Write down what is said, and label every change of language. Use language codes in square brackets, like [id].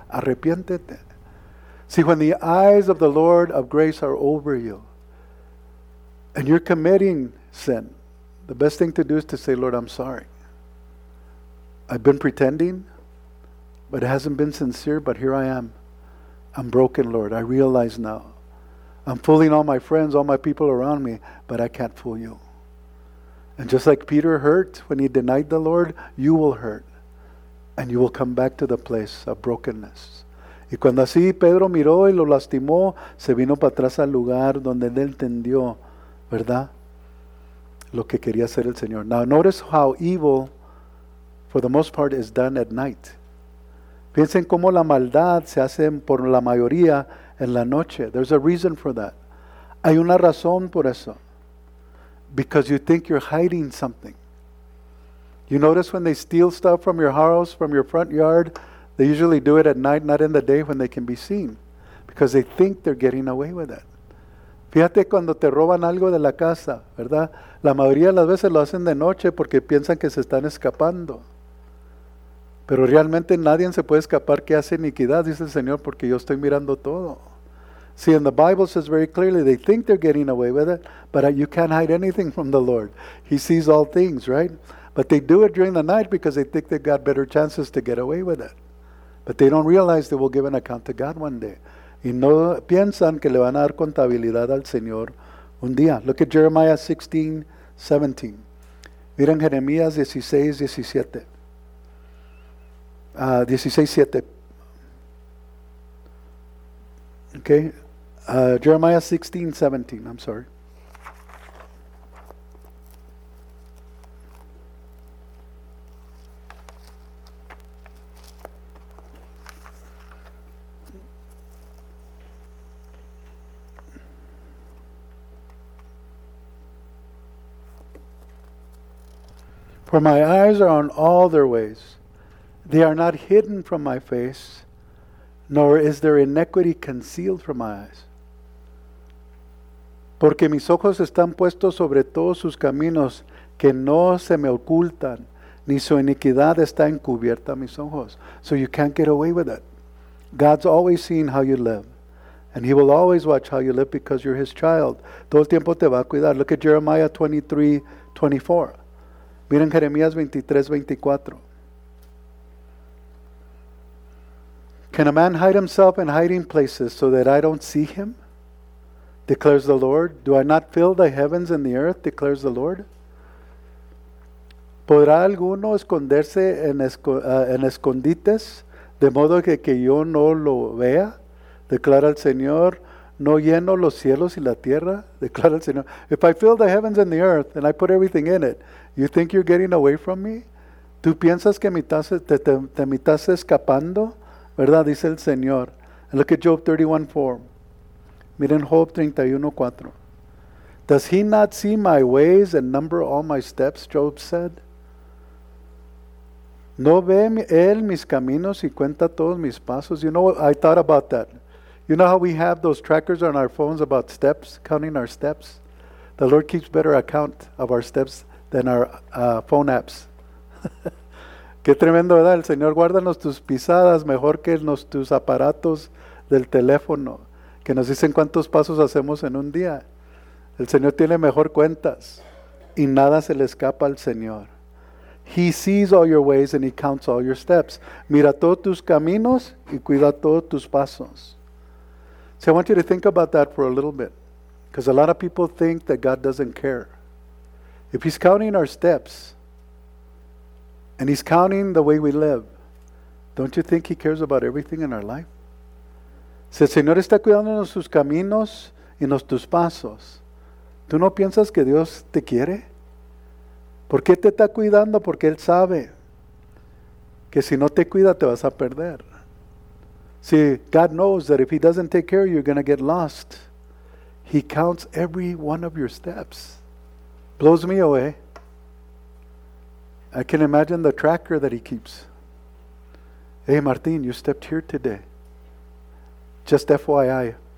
[es] Arrepiéntete. [en] See, when the eyes of the Lord of grace are over you, and you're committing sin, the best thing to do is to say, Lord, I'm sorry. I've been pretending, but it hasn't been sincere, but here I am. I'm broken, Lord. I realize now. I'm fooling all my friends, all my people around me, but I can't fool you. And just like Peter hurt when he denied the Lord, you will hurt, and you will come back to the place of brokenness. [es] Y cuando así Pedro miró y lo lastimó, se vino para atrás al lugar donde él entendió, ¿verdad?, lo que quería hacer el Señor. [en] Now notice how evil, for the most part, is done at night. [es] Piensen cómo la maldad se hace por la mayoría en la noche. [en] There's a reason for that. [es] Hay una razón por eso. [en] Because you think you're hiding something. You notice when they steal stuff from your house, from your front yard, they usually do it at night, not in the day when they can be seen. Because they think they're getting away with it. [es] Fíjate cuando te roban algo de la casa, ¿verdad? La mayoría de las veces lo hacen de noche porque piensan que se están escapando. Pero realmente nadie se puede escapar que hace iniquidad, dice el Señor, porque yo estoy mirando todo. [en] See, and the Bible says very clearly, they think they're getting away with it, but you can't hide anything from the Lord. He sees all things, right? But they do it during the night because they think they've got better chances to get away with it. But they don't realize they will give an account to God one day. [es] Y no piensan que le van a dar contabilidad al Señor un día. [en] Look at Jeremiah 16, 17. [es] Miren Jeremías 16, 17. [en] 16:7. Okay. Jeremiah 16:17. I'm sorry. For my eyes are on all their ways. They are not hidden from my face, nor is their iniquity concealed from my eyes. [es] Porque mis ojos están puestos sobre todos sus caminos, que no se me ocultan, ni su iniquidad está encubierta a mis ojos. [en] So you can't get away with it. God's always seeing how you live, and he will always watch how you live because you're his child. [es] Todo el tiempo te va a cuidar. [en] Look at Jeremiah 23:24. [es] Miren Jeremías 23:24. [en] Can a man hide himself in hiding places so that I don't see him? Declares the Lord. Do I not fill the heavens and the earth? Declares the Lord. [es] ¿Podrá alguno esconderse en escondites de modo que yo no lo vea? Declara el Señor. ¿No lleno los cielos y la tierra? Declara el Señor. [en] If I fill the heavens and the earth and I put everything in it, you think you're getting away from me? [es] ¿Tú piensas que me estás escapando? ¿Verdad? Dice el Señor. [en] And look at Job 31:4. [es] Miren Job 31:4. [en] Does he not see my ways and number all my steps? Job said. [es] ¿No ve él mis caminos y cuenta todos mis pasos? [en] You know, I thought about that. You know how we have those trackers on our phones about steps, counting our steps? The Lord keeps better account of our steps than our phone apps. [es] Qué tremendo, ¿verdad? El Señor, guárdanos tus pisadas mejor que tus aparatos del teléfono, que nos dicen cuántos pasos hacemos en un día. El Señor tiene mejor cuentas y nada se le escapa al Señor. [en] He sees all your ways and he counts all your steps. [es] Mira todos tus caminos y cuida todos tus pasos. [en] So I want you to think about that for a little bit, because a lot of people think that God doesn't care. If he's counting our steps, and he's counting the way we live, don't you think he cares about everything in our life? [es] Si el Señor está cuidándonos sus caminos y nuestros pasos, ¿tú no piensas que Dios te quiere? ¿Por qué te está cuidando? Porque él sabe que si no te cuida, te vas a perder. [en] See, God knows that if he doesn't take care of you, you're going to get lost. He counts every one of your steps. Blows me away. I can imagine the tracker that he keeps. Hey, Martin, you stepped here today. Just FYI.